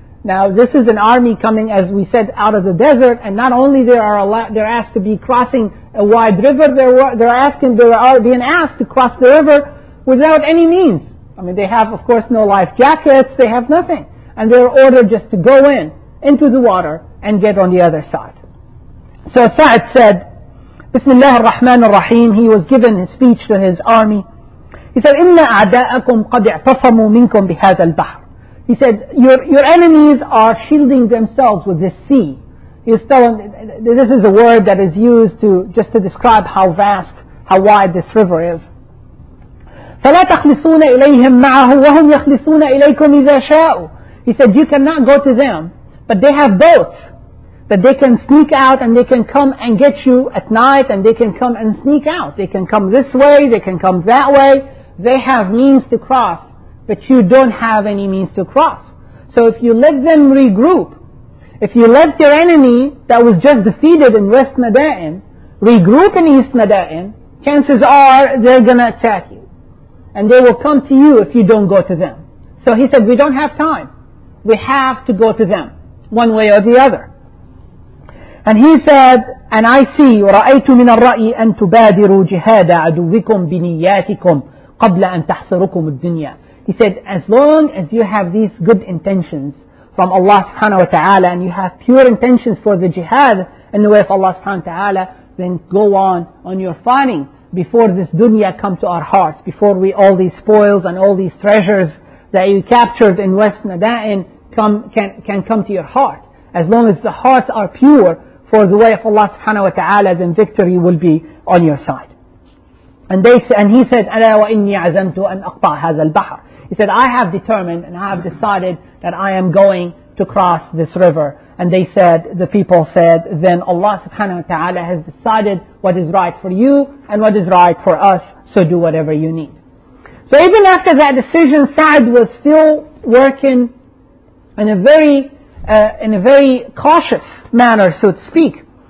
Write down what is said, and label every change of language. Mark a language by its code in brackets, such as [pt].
[en] Now, this is an army coming, as we said, out of the desert. And not only they're asked to be crossing a wide river, they are being asked to cross the river without any means. I mean, they have, of course, no life jackets, they have nothing. And they're ordered just to go in, into the water, and get on the other side. So Sa'd said, Bismillah ar-Rahman ar-Rahim, he was given his speech to his army. He said, [ar] إِنَّ أَعْدَاءَكُمْ قَدْ اِعْتَصَمُوا مِنْكُمْ بِهَذَا الْبَحْرِ. [en] He said, your enemies are shielding themselves with this sea. He's telling, this is a word that is used to just to describe how vast, how wide this river is. [ar] فَلَا تَخْلِصُونَ إِلَيْهِمْ مَعَهُ وَهُمْ يَخْلِصُونَ إِلَيْكُمْ إِذَا شَاءُ. [en] He said, you cannot go to them, but they have boats that they can sneak out and they can come and get you at night, and they can come and sneak out. They can come this way, they can come that way. They have means to cross, but you don't have any means to cross. So if you let them regroup, if you let your enemy that was just defeated in West Mada'in regroup in East Mada'in, chances are they're going to attack you. And they will come to you if you don't go to them. So he said, we don't have time. We have to go to them, one way or the other. And he said, and I see, [ar] وَرَأَيْتُ مِنَ الرَّأِيِ أَن تُبَادِرُوا جِهَادَ عَدُوِّكُمْ بِنِيَّاتِكُمْ قَبْلَ أَن تَحْصَرُكُمُ الدُّنْيَا. [en] He said, as long as you have these good intentions from Allah subhanahu wa ta'ala, and you have pure intentions for the jihad in the way of Allah subhanahu wa ta'ala, then go on your fighting. Before this dunya come to our hearts, before we all these spoils and all these treasures that you captured in West Mada'in can come to your heart. As long as the hearts are pure for the way of Allah subhanahu wa ta'ala, then victory will be on your side. And he said, [ar] أَلَا وَإِنِّي عَزَمْتُ أَنْ أَقْطَعْ هَذَا الْبَحْرِ. [en] He said, I have determined and I have decided that I am going to cross this river. And they said, the people said, then Allah subhanahu wa ta'ala has decided what is right for you and what is right for us, so do whatever you need. So even after that decision, Sa'd was still working in a very cautious manner, so to speak.